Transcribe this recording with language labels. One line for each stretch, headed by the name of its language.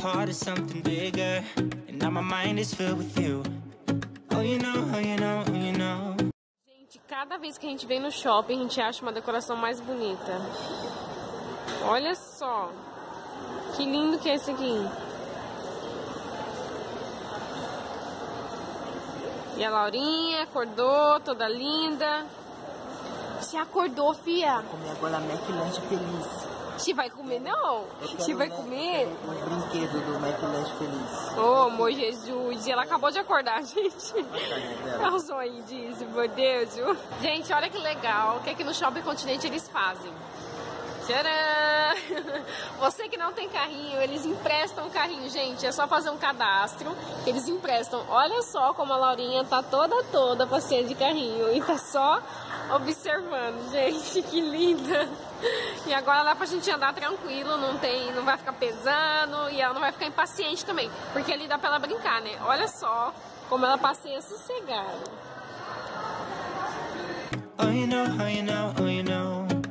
English: Something bigger, and now my mind is filled with you. Oh, you know, oh, you know, oh, you know.
Portuguese: Gente, cada vez que a gente vem no shopping, a gente acha uma decoração mais bonita. Olha só, que lindo que é esse aqui. E a Laurinha acordou, toda linda. Você acordou, fia? Vou comer agora a McLanche feliz. Você vai comer, não? Você vai comer? Um brinquedo do McLash Feliz. Ô, amor Jesus. Ela acabou de acordar, gente. É o sonho disso, meu Deus. Gente, olha que legal. O que é que no Shopping Continente eles fazem? Tcharam! Você que não tem carrinho, eles emprestam o carrinho, gente. É só fazer um cadastro que eles emprestam. Olha só como a Laurinha tá toda passeando de carrinho e tá só observando, gente. Que linda! E agora dá pra gente andar tranquilo, não tem, não vai ficar pesando e ela não vai ficar impaciente também, porque ali dá pra ela brincar, né? Olha só como ela passeia sossegada.
English: Oh, you know, oh, you know, oh, you know.